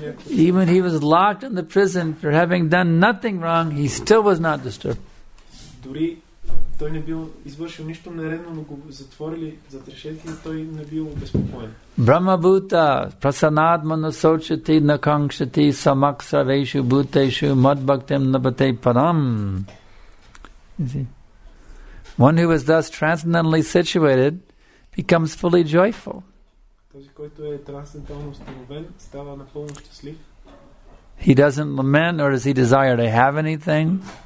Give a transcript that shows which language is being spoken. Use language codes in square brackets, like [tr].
[en] Even he was locked in the prison for having done nothing wrong, he still was not disturbed. [bg] Той не бил извършил нищо нередно, но го затворили за трешетки, той не бил обезпокоен. [sa] Брахма бута прасанадмана сочати накангшати самак сарвешу бутешу мадбхактем набате парам. [en] One who is thus transcendentally situated becomes fully joyful. [bg] Този, който е трансцендентално установен, става напълно щастлив. [en] He doesn't lament or does he desire to have anything.